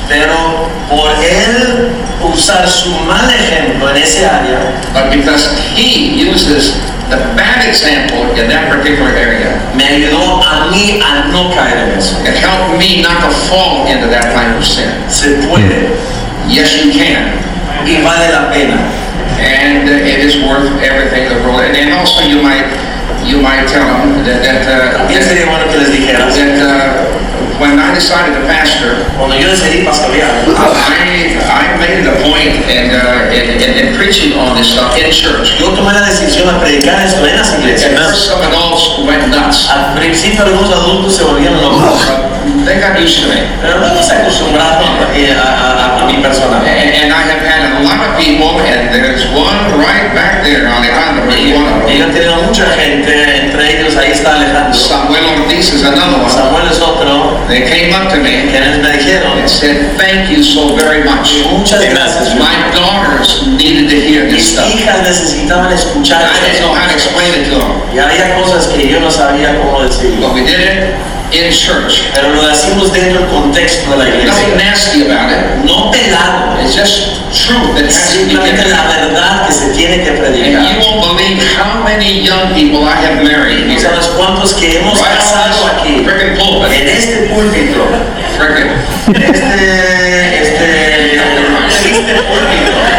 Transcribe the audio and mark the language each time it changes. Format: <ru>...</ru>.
<es>Pero por él usar su mal ejemplo en ese área.</es> <en>But because he uses the bad example in that particular area.</en> <es>Me ayudó a mí a no caer en eso.</es> <en>It helped me not to fall into that kind of sin.</en> <es>Se puede.</es> <en>Yes, you can.</en> <es>Y vale la pena.</es> <en>And it is worth everything in the world. And also you might tell them that when I decided to pastor, I made it a point in preaching on this stuff in church.</en> <es>Yo tomé la decisión a predicar esto en las iglesias.</es> <en>Some adults went nuts.</en> <es>Al principio algunos adultos se volvían locos.</es> <en>They got used to me.</en> <es>Pero luego se acostumbraron a mi persona.</es> <en>And I have had a lot of people, and there's one right back there, Alejandro.</en> <es>Y han tenido mucha gente, entre ellos ahí está Alejandro.</es> <en>Samuel Ortiz is another one.</en> <es>Samuel es otro.</es> <en>They came up to me.</en> <es>Quienes me dijeron.</es> <en>And said, thank you so very much.</en> <es>Muchas gracias.</es> <en>My daughters needed to hear this stuff.</en> <es>Mis hijas necesitaban escuchar esto.</es> <en>I didn't know how to explain it to them.</en> <es>Y había cosas que yo no sabía cómo decir.</es> <en>But we did it in church.</en> <es>Pero lo hacemos dentro del contexto de la iglesia.</es> <en>Nothing nasty about it.</en> <es>No pelado.</es> <en>It's just truth that has to be given.</en> <es>La verdad que se tiene que predicar.</es> <en>And you won't believe how many young people I have married.</en> <es>¿No sabes cuántos que hemos casado aquí?</es> <en>Freaking pulpit.</en> <es>En este púlpito.</es> <en>Freaking.</en> <es>Este púlpito.</es>